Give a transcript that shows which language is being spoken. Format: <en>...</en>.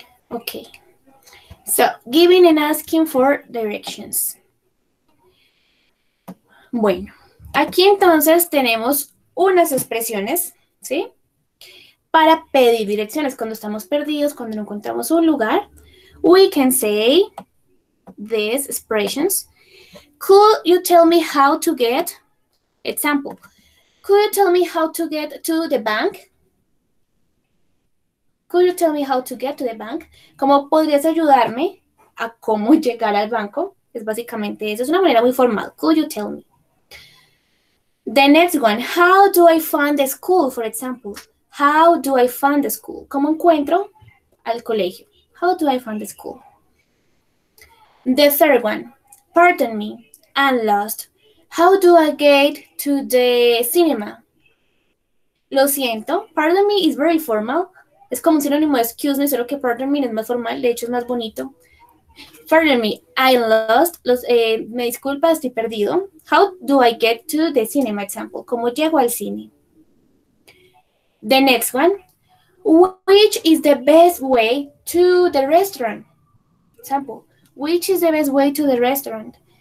<en>Okay, so giving and asking for directions.</en> <es>Bueno, aquí entonces tenemos unas expresiones, ¿sí? Para pedir direcciones cuando estamos perdidos, cuando no encontramos un lugar.</es> <en>We can say these expressions. Could you tell me how to get, example, could you tell me how to get to the bank? Could you tell me how to get to the bank?</en> <es>¿Cómo podrías ayudarme a cómo llegar al banco? Es básicamente eso, es una manera muy formal.</es> <en>Could you tell me? The next one, how do I find the school, for example? How do I find the school?</en> <es>¿Cómo encuentro al colegio?</es> <en>How do I find the school? The third one, pardon me, I'm lost. How do I get to the cinema?</en> <es>Lo siento,</es> <en>pardon me is very formal.</en> <es>Es como un sinónimo de excuse me, solo que pardon me es más formal, de hecho es más bonito.</es> <en>Pardon me, I'm lost.</en> <es>Me disculpa, estoy perdido.</es> <en>How do I get to the cinema, example?</en> <es>¿Cómo llego al cine?</es> <en>The next one. Which is the best way to the restaurant? Example. Which is the best way to the restaurant?</en>